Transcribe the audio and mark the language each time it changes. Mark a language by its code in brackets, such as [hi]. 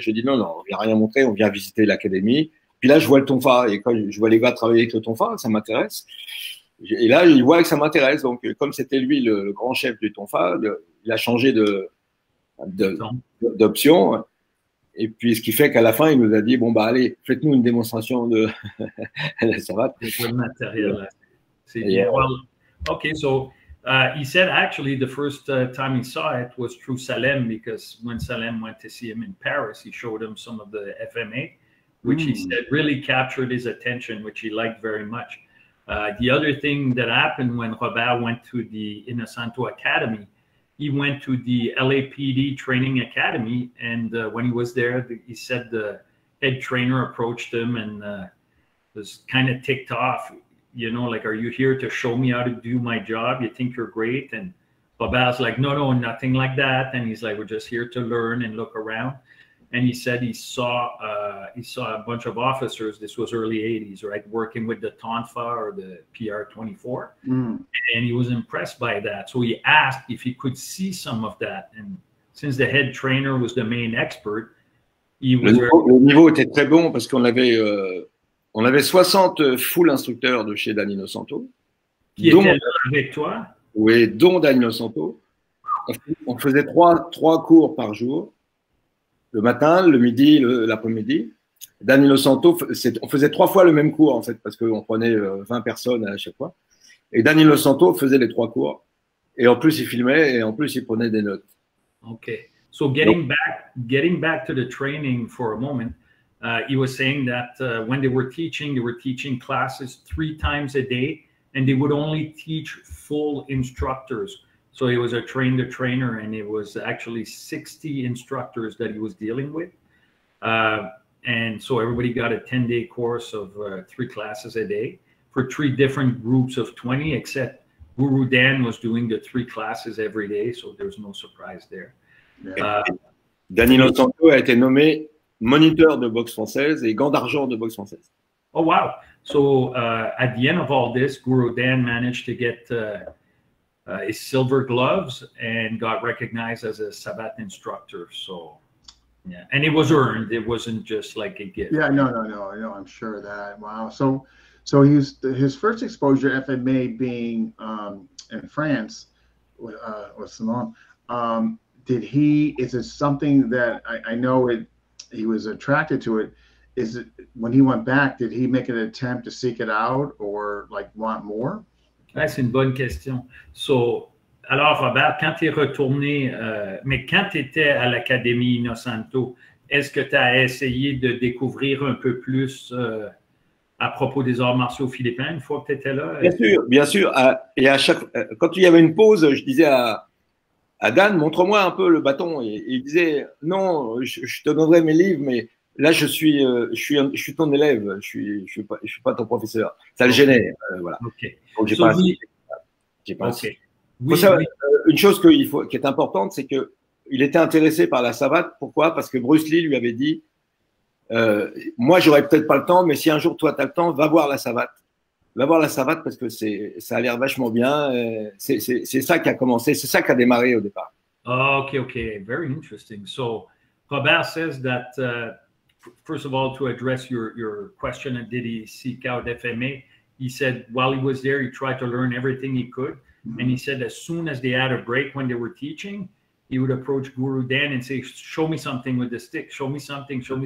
[fr] J'ai dit non, non, on vient rien montrer, on vient visiter l'académie. Puis là, je vois le tonfa et quand je vois les gars travailler avec le tonfa, ça m'intéresse. Et là, il voit que ça m'intéresse. Donc, comme c'était lui le grand chef du tonfa, il a changé d'option. Et puis, ce qui fait qu'à la fin, il nous a dit, bon, bah, allez, faites-nous une démonstration de la savate. Le matériel, c'est bien. [en] OK, so he said actually the first time he saw it was through Salem, because when Salem went to see him in Paris, he showed him some of the FMA, which he said really captured his attention, which he liked very much. The other thing that happened when Robert went to the Innocento Academy, he went to the LAPD Training Academy, and when he was there, he said the head trainer approached him and was kind of ticked off, like, "Are you here to show me how to do my job? You think you're great?" And Baba's like, No, nothing like that." And he's like, "We're just here to learn and look around." And he said he saw a bunch of officers. This was early 80s, right, working with the Tonfa or the PR-24. And he was impressed by that. So he asked if he could see some of that. And since the head trainer was the main expert, he [fr] Le [en] was very. [fr] niveau était très bon parce qu'on avait 60 full instructeurs de chez Dan Innocento, Qui était là avec toi? dont Dan Innocento. On faisait trois cours par jour, le matin, le midi, l'après-midi. Dan Innocento, on faisait trois fois le même cours en fait parce qu'on prenait 20 personnes à chaque fois. Et Dan Innocento faisait les trois cours. Et en plus, il filmait et en plus, il prenait des notes. [en] Okay, so getting back to the training for a moment, he was saying that when they were teaching classes three times a day, and they would only teach full instructors. So he was a trainer, and it was actually 60 instructors that he was dealing with. And so everybody got a 10-day course of three classes a day for three different groups of 20, except Guru Dan was doing the three classes every day, so there's no surprise there. [fr] Danilo Santo a été nommé moniteur de boxe française et gant d'argent de boxe française. [en] Oh, wow. So at the end of all this, Guru Dan managed to get his silver gloves and got recognized as a Savate instructor. So, yeah. And it was earned. It wasn't just like a gift. Yeah, no, I'm sure of that. Wow. So his first exposure to FMA being in France was Simon. Is it something that I know it? He was attracted to it. Is it when he went back? Did he make an attempt to seek it out or like want more? That's [fr] une bonne question. [en] So, [fr] alors Robert, quand tu es retourné, mais quand tu étais à l'Académie Innocento, est-ce que tu as essayé de découvrir un peu plus? À propos des arts martiaux philippins, une fois que tu étais là. Bien sûr. Et à chaque, quand il y avait une pause, je disais à Dan, montre-moi un peu le bâton. Et il disait, non, je te donnerai mes livres, mais là, je suis ton élève, je suis pas ton professeur. Ça le gênait, voilà. Okay. Donc, j'ai pas assez. Okay. Oui. Une chose qui est importante, c'est qu'il était intéressé par la savate. Pourquoi? Parce que Bruce Lee lui avait dit, moi, j'aurais peut-être pas le temps, mais si un jour toi t'as le temps, va voir la savate. Va voir la savate parce que ça a l'air vachement bien. C'est ça qui a commencé, c'est ça qui a démarré au départ. [en] Okay. Very interesting. So, Robert says that first of all, to address your question, did he seek out FMA? He said while he was there, he tried to learn everything he could, and he said as soon as they had a break when they were teaching, he would approach Guru Dan and say, show me something with the stick, show me something.